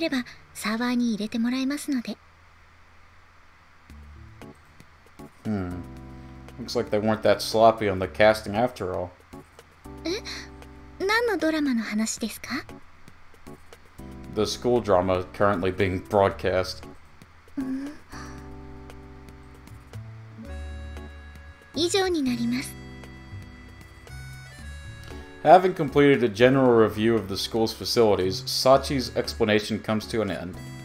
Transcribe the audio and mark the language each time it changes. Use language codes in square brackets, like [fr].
[ja] 過去に放送されたテレビ番組も全部ではありませんが、鑑賞することができます。ないものについては請求して承認されればサーバーに入れてもらえますので。 [en] Looks like they weren't that sloppy on the casting after all. [ja] え?何のドラマの話ですか? [en] The school drama currently being broadcast. Having completed a general review of the school's facilities, Sachi's explanation comes to an end.